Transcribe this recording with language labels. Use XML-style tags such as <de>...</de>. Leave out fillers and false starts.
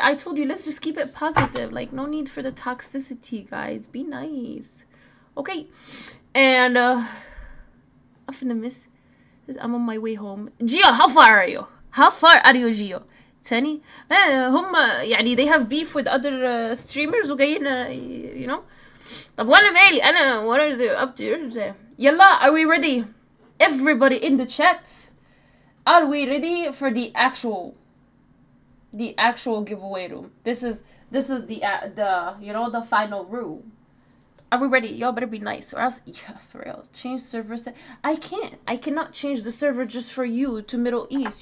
<en>I told you, let's just keep it positive. Like, no need for the toxicity, guys. Be nice. Okay. And, I'm finna miss. I'm on my way home. Gio, how far are you? How far are you, Gio? Tani? They have beef with other streamers. Okay, you know?</en> <ar>طب وانا مالي انا وانا</ar> <en>up to you. يلا, are we ready? Everybody in the chat, are we ready for the actual giveaway room? This is the you know, the final room. Are we ready? Y'all better be nice or else, yeah, for real. Change server. I cannot change the server just for you to Middle East.</en>